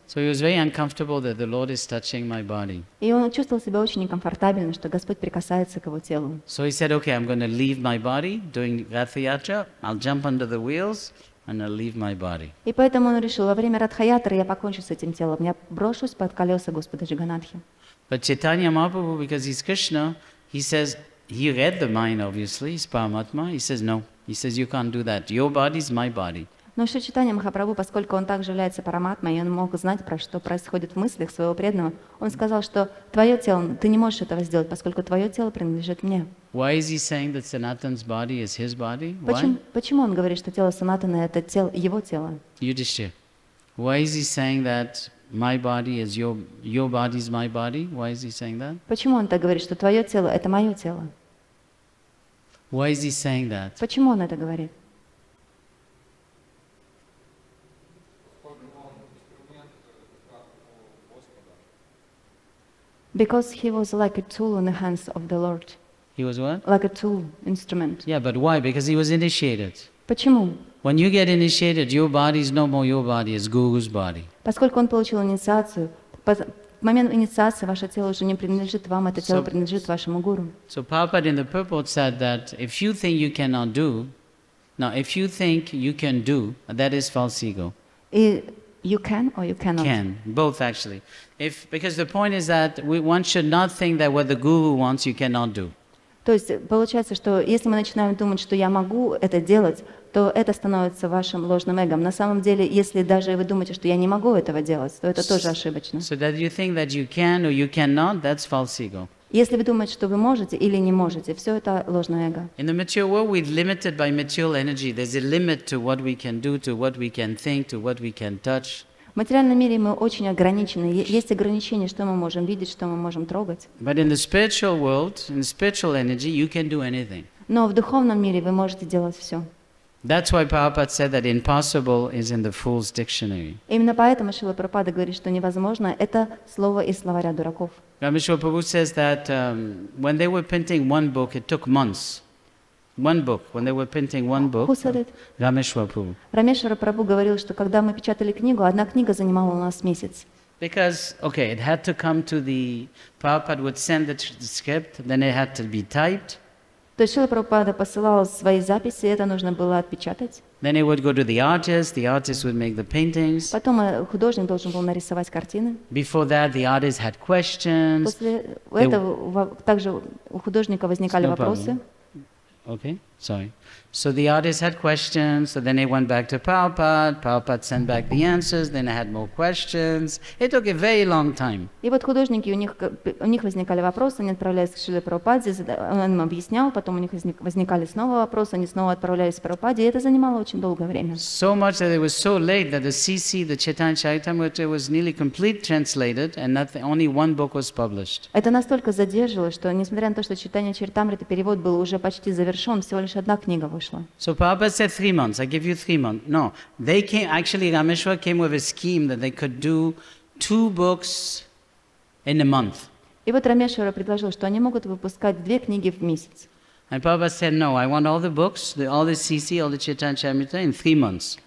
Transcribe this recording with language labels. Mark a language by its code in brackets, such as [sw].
[en] So he was very uncomfortable that the Lord is touching my body. [ru] И он чувствовал себя очень некомфортабельно, что Господь прикасается к его телу. [en] So he said, okay, I'm going to leave my body doing Rathayatra. I'll jump under the wheels and I'll leave my body. [ru] И поэтому он решил, во время Радхаятры я покончу с этим телом. Я брошусь под колеса Господа Джаганатхи. [en] But Chaitanya Mahaprabhu, because he's Krishna, he says, he read the mind, obviously, he's Paramatma. He says, no. He says, you can't do that. Your body is my body. [ru] Но Шри Чайтанья Махапрабху, поскольку он также является параматмой, и он мог знать, про что происходит в мыслях своего преданного, он сказал, что твое тело, ты не можешь этого сделать, поскольку твое тело принадлежит мне. [en] Why is he saying that Sanatana's body is his body? Why? [ru] Почему он говорит, что тело Санатана это тело, его тело? Юдиштхир. [en] Why is he saying that my body is your body is my body? Why is he saying that? [ru] Почему он так говорит, что твое тело это мое тело? [en] Why is he saying that? [ru] Почему он это говорит? [en] Because he was like a tool in the hands of the Lord. He was what? Like a tool, instrument. Yeah, but why? Because he was initiated. [ru] Почему? [en] When you get initiated, your body is no more your body, it's Guru's body. [ru] Поскольку он получил инициацию, в момент инициации ваше тело уже не принадлежит вам, это тело принадлежит вашему Гуру. [en] So Prabhupada in the purport said that if you think you cannot do, now if you think you can do, that is false ego. You can or you cannot? Can, both actually. Because the point is that one should not think that what the guru wants you cannot do. [ru] То есть получается, что если мы начинаем думать, что я могу это делать, то это становится вашим ложным эго. На самом деле, если даже вы думаете, что я не могу этого делать, то это тоже ошибочно. [en] So that you think that you can or you cannot, that's false ego. [ru] Если вы думаете, что вы можете или не можете, все это ложное эго. [en] In the material world, we're limited by material energy. There's a limit to what we can do, to what we can think, to what we can touch. [ru] В материальном мире мы очень ограничены. Есть ограничения, что мы можем видеть, что мы можем трогать. [en] But in the spiritual world, in spiritual energy, you can do anything. [ru] Но в духовном мире вы можете делать все. [en] That's why Prabhupada said that impossible is in the fool's dictionary. [ru] Именно поэтому Шрила Прабхупада говорит, что невозможно – это слово из словаря дураков. [en] Рамешвар Прабху says that when they were printing one book, it took months. One book. When they were printing one book. Who said it? [ru] Рамешвар Прабху. Рамешвар Прабху говорил, что когда мы печатали книгу, одна книга занимала у нас месяц. [en] Because, okay, it had to come to the Prabhupada would send the script, then it had to be typed. [ru] То есть Шрила Прабхупада посылал свои записи, это нужно было отпечатать. Потом художник должен был нарисовать картины. [en] Before that, the artist had questions. [ru] После этого также у художника возникали вопросы. [en] Okay. Sorry. So the artists had questions, so then they went back to Prabhupada. Prabhupada sent back the answers, then they had more questions. It took a very long time. [ru] И вот художники, у них возникали вопросы, они отправлялись к Шриле Прабхупаде, он им объяснял, потом у них возникали снова вопросы, они снова отправлялись к Прабхупаде, и это занимало очень долгое время. [en] So much that it was so late that the CC, the Chaitanya Charitamrita, was nearly completely translated, and only one book was published. [ru] Это настолько задержало, что несмотря на то, что Chaitanya Charitamrita перевод был уже почти завершен, всего лишь одна книга. [en] So Prabhupada said 3 months. I give you 3 months. No, they came. Actually, Rameshwar came with a scheme that they could do 2 books in a month. [ru] И вот Рамешвар предложил, что они могут выпускать 2 книги в месяц. [en] And Prabhupada said, no, I want all the books, all the CC, all the Chaitanya Charitamrita in 3 months.